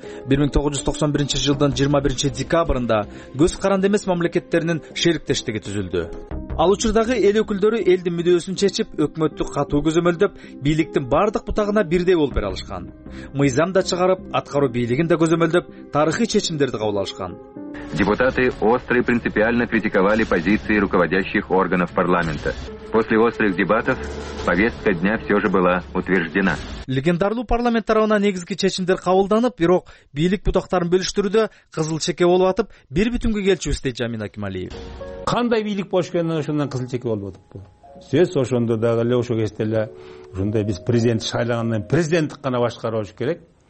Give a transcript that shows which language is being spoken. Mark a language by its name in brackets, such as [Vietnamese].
[Kyrgyz] 1991 жылдын 21 декабрында көз каранды эмес мамлекеттеринин шериктештиги түзүлдү. Ал учурдагы эл өкүлдөрү элдин мүдөөсүн чечип, өкмөттү катуу көзөмөлдөп, бийликтин бардык бутагына бирдей болуп бере алышкан. Мыйзам да чыгарып, аткаруу бийлигин да көзөмөлдөп, тарыхый чечимдерди кабыл алышкан. [Russian] Депутаты остро и принципиально критиковали позиции руководящих органов парламента. После острых дебатов повестка дня все же была утверждена. [Kyrgyz] Легендарлуу парламент тарабынан негизги чечимдер кабылданып, бирок бийлик бутактарын бөлүштүрүүдө кызыл чеке болуп атып, бир бүтүнгө келчүбүз дейт Жамин Акималиев. Кандай бийлик болуш керек, ошондон кызыл чеке болуп атып. Сөз ошондо дагы эле ошо кезде эле ушундай биз президент шайлагандан президенттик гана башкарыш керек.